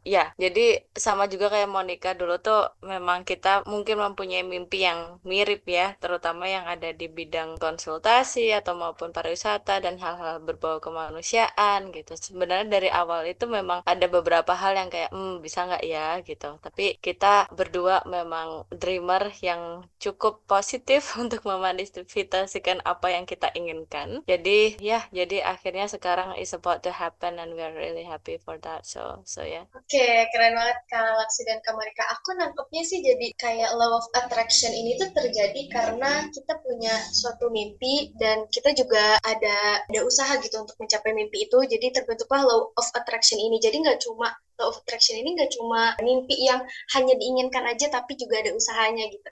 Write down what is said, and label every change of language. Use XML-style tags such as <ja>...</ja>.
<id>Ya, jadi sama juga kayak Monica dulu tuh, memang kita mungkin mempunyai mimpi yang mirip ya, terutama yang ada di bidang konsultasi atau maupun pariwisata dan hal-hal berbau kemanusiaan gitu. Sebenarnya dari awal itu memang ada beberapa hal yang kayak bisa nggak ya gitu, tapi kita berdua memang dreamer yang cukup positif untuk memanifestasikan apa yang kita inginkan. Jadi ya, jadi akhirnya sekarang</id> <en>is about to happen and we are really happy for that. So ya.</en> <id>Oke, keren banget Kak Laksi dan Kak Monica. Aku nangkepnya sih jadi kayak law of attraction ini tuh terjadi karena kita punya suatu mimpi dan kita juga ada usaha gitu untuk mencapai mimpi itu, jadi terbentuklah law of attraction ini. Jadi nggak cuma law of attraction ini nggak cuma mimpi yang hanya diinginkan aja, tapi juga ada usahanya gitu.</id>